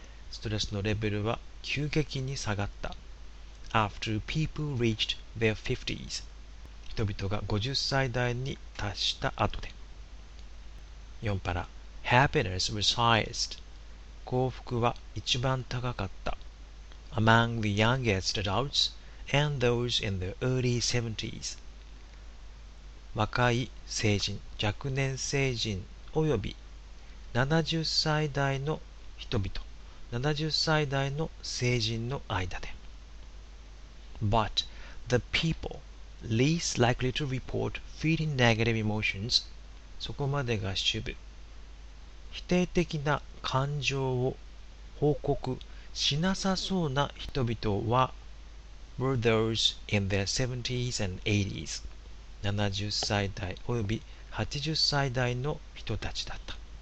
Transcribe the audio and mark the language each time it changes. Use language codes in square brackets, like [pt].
[ja] ストレスのレベルは急激に下がった。 [en] After people reached their 50s. [ja] 人々が50歳代に達した後で。 4パラ。 [en] Happiness was highest. [ja] 幸福は一番高かった。 [en] Among the youngest adults and those in the early 70s. [ja] 若い成人、若年成人および70歳代の人々、70歳代の成人の間で。 [en] But the peopleLeast likely to report feeling negative emotions. [ja] そこまでが主部。否定的な感情を報告しなさそうな人々は [en] were those in their 70s and 80s. [ja] 70歳代および80歳代の人たちだった。